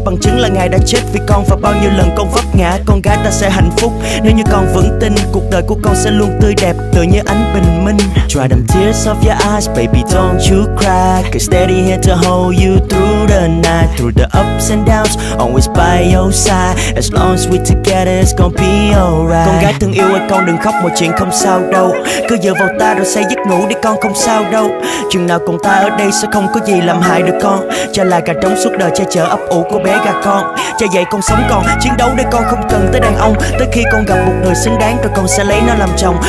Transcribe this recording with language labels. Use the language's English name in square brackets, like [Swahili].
[Vietnamese] Bằng chứng là ngài đã chết vì con và bao nhiêu lần con vấp ngã. Con gái ta sẽ hạnh phúc nếu như con vững tin, cuộc đời của con sẽ luôn tươi đẹp tựa như ánh bình minh. [English] Dry them tears off your eyes, baby don't you cry, cause daddy here to hold you through the night. Through the ups and downs, always by your side, as long as we're together it's gonna be alright. [Vietnamese] Con gái thương yêu ơi con đừng khóc, mọi chuyện không sao đâu, cứ dựa vào ta rồi sẽ giấc ngủ đi con, không sao đâu. Chừng nào còn ta ở đây sẽ không có gì làm hại được con. Cha là gà trống suốt đời che chở ấp ủ của bé gà con. Cha dạy con sống còn chiến đấu để con không cần tới đàn ông. Tới khi con gặp một người xứng đáng rồi con sẽ lấy nó làm chồng.